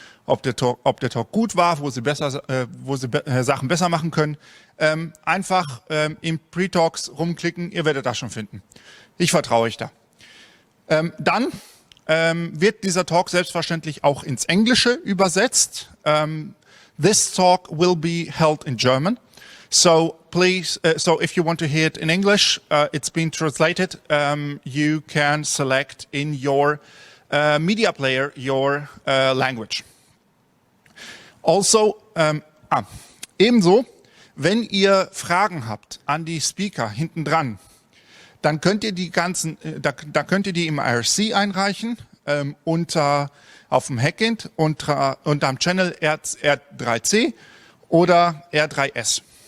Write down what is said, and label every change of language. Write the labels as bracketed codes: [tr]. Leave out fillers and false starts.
[de] Ob der Talk gut war, wo sie Sachen besser machen können. Einfach im Pre-Talks rumklicken, ihr werdet das schon finden. Ich vertraue euch da. Dann wird dieser Talk selbstverständlich auch ins Englische übersetzt. [en] This talk will be held in German. So please, so if you want to hear it in English, it's been translated. You can select in your media player your language. [de] Also, ebenso, wenn ihr Fragen habt an die Speaker hinten dran, dann könnt ihr die ganzen, da könnt ihr die im IRC einreichen, unter auf dem Hackint unter am Channel R3C oder R3S.